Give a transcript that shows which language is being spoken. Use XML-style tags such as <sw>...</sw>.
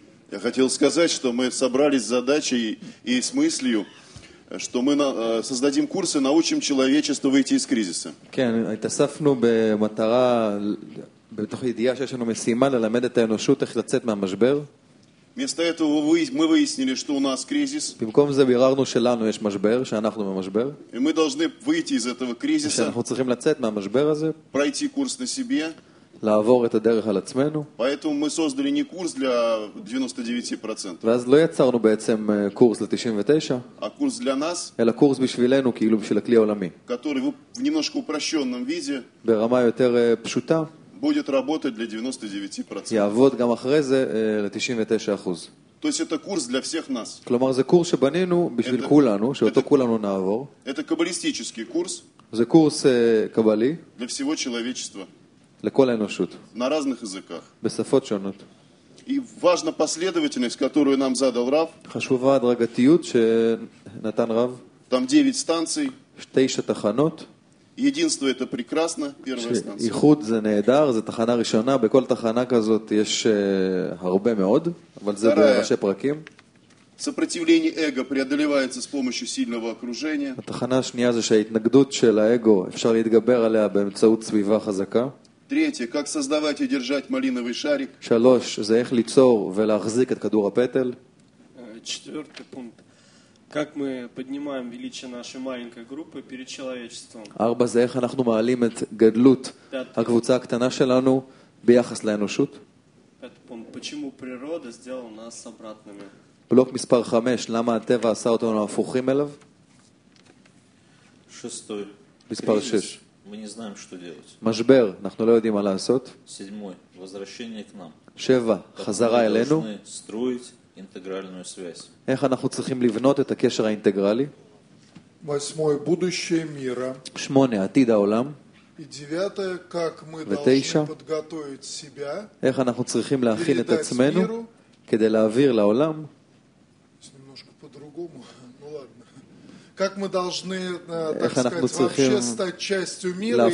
<ru>Я хотел сказать, что мы собрались с задачей и с мыслью, что мы создадим курс и научим человечество выйти из кризиса.</ru> <he>כן, התאספנו במטרה, בתוך הידיעה שיש לנו משימה ללמד את האנושות איך לצאת מהמשבר.</he> <ru>Вместо этого мы выяснили, что у нас кризис.</ru> <he>במקום זה ביררנו שלנו יש משבר, שאנחנו במשבר.</he> <ru>И мы должны выйти из этого кризиса.</ru> <he>אנחנו צריכים לצאת מהמשבר הזה.</he> <ru>Пройти курс на себе.</ru> <he>לעבור את הדרך על עצמנו.</he> <ru>Поэтому мы создали не курс для 99%.</ru> <he>ואז לא יצרנו בעצם קורס ל-99%.</he> <ru>А курс для нас.</ru> <he>אלא קורס בשבילנו, כאילו בשביל הכלי העולמי.</he> <ru>Который в немножко упрощенном виде.</ru> <he>ברמה יותר פשוטה.</he> <ru>Будет работать для 99%.</ru> <he>יעבוד גם אחרי זה ל-99%.</he> <ru>То есть это курс для всех нас.</ru> <he>כלומר, זה קורס שבנינו בשביל כולנו, שאותו כולנו נעבור.</he> <ru>Это каббалистический курс.</ru> <he>זה קורס קבלי.</he> <ru>Для всего человечества.</ru> <he>לכל האנושות.</he> <ru>На разных языках.</ru> <he>בשפות שונות.</he> <ru>И важна последовательность, которую нам задал Рав.</ru> <he>חשובה הדרגתיות שנתן רב.</he> <ru>Там 9 станций.</ru> <he>9 תחנות.</he> <ru>Единство это прекрасно, первая станция.</ru> <he>איחוד זה נהדר, זה תחנה ראשונה, בכל תחנה כזאת יש הרבה מאוד, אבל זה בראשי פרקים.</he> <ru>Сопротивление эго преодолевается с помощью сильного окружения.</ru> <he>התחנה השנייה זה שההתנגדות של האגו, אפשר להתגבר עליה באמצעות סביבה חזקה.</he> <ru>Третье, как создавать и держать малиновый шарик.</ru> <he>3, זה איך ליצור ולהחזיק את כדור הפטל. 4 פונקט.</he> <ru>Как мы поднимаем величие нашей маленькой группы перед человечеством?</ru> <he>4. זה איך אנחנו מעלים את גדלות הקבוצה הקטנה שלנו ביחס לאנושות?</he> <ru>5. Почему природа сделала нас обратными?</ru> <he>בלוק מספר 5. למה הטבע עשה אותנו הפוכים אליו?</he> <ru>6.</ru> <he>מספר 6.</he> <ru>Мы не знаем, что делать.</ru> <he>משבר. אנחנו לא יודעים מה לעשות.</he> <ru>7. Возвращение к нам.</ru> <he>7. חזרה אלינו.</he> <ru>интегральную связь.</ru> <he>איך אנחנו צריכים לבנות את הקשר האינטגרלי?</he> <ru>8. будущее мира.</ru> <he>8. עתיד העולם.</he> <ru>9. как мы должны подготовить себя?</ru> <he>איך אנחנו צריכים להכין את עצמנו כדי להעביר לעולם?</he> <ru>немножко по-другому. Ну ладно. Как мы должны, так сказать, вообще стать частью мира и</ru>